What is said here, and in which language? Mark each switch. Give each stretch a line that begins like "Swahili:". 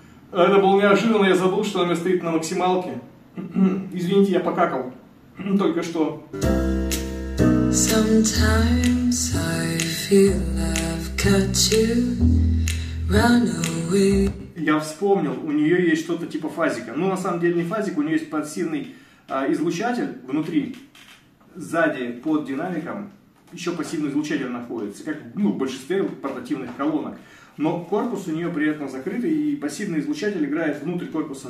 Russian: Это было неожиданно, я забыл, что она стоит на максималке. Извините, я покакал только что.
English: Sometimes I feel I've got you run away.
Russian: Я вспомнил, у нее есть что-то типа фазика. Ну, на самом деле не фазик, у нее есть пассивный излучатель внутри, сзади под динамиком. Еще пассивный излучатель находится, как в большинстве портативных колонок. Но корпус у нее при этом закрытый, и пассивный излучатель играет внутрь корпуса.